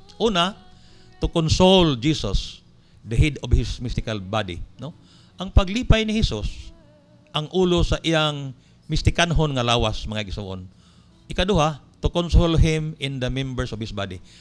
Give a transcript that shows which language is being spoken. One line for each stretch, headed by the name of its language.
Cebuano: Una,
English: to console Jesus, the head of his mystical body, no?
Cebuano: Ang paglipay ni Jesus ang ulo sa iyang mistikanhon nga lawas, mga gisuon. Ikaduha,
English: to console him in the members of his body.